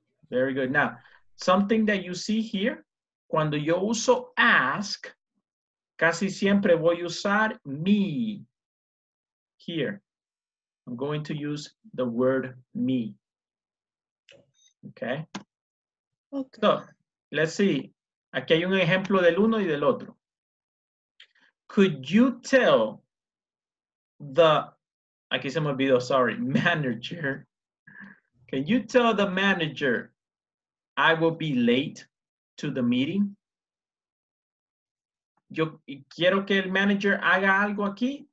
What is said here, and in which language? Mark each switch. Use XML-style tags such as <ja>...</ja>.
<en>Very good. Now, something that you see here,</en> <es>cuando yo uso ask, casi siempre voy a usar me.</es> <en>Here, I'm going to use the word me. Okay? Okay. So, let's see.</en> <es>Aquí hay un ejemplo del uno y del otro.</es> <en>Could you tell the,</en> <es>aquí se me olvidó,</es> <en>sorry, manager. Can you tell the manager I will be late to the meeting?</en> <es>¿Yo quiero que el manager haga algo aquí?</es>